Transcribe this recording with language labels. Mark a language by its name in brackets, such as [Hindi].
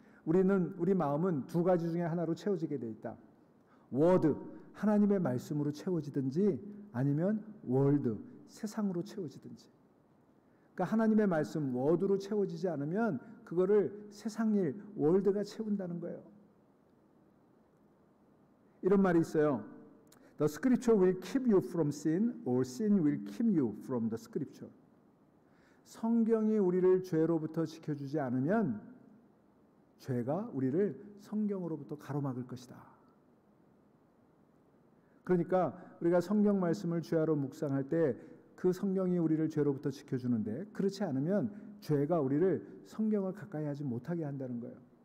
[Korean] 우리는 우리 마음은 두 가지 중에 하나로 채워지게 돼 있다. 워드, 하나님의 말씀으로 채워지든지 아니면 월드, 세상으로 채워지든지. 그러니까 하나님의 말씀 워드로 채워지지 않으면 그거를 세상 일, 월드가 채운다는 거예요. 이런 말이 있어요. [English] The scripture will keep you from sin or sin will keep you from the scripture. [Korean] 성경이 우리를 죄로부터 지켜주지 않으면 죄가 우리를 성경으로부터 가로막을 것이다. 그러니까 우리가 성경 말씀을 주야로 묵상할 때 그 성경이 우리를 죄로부터 지켜주는데 그렇지 않으면 죄가 우리를 성경을 가까이 하지 못하게 한다는 거예요.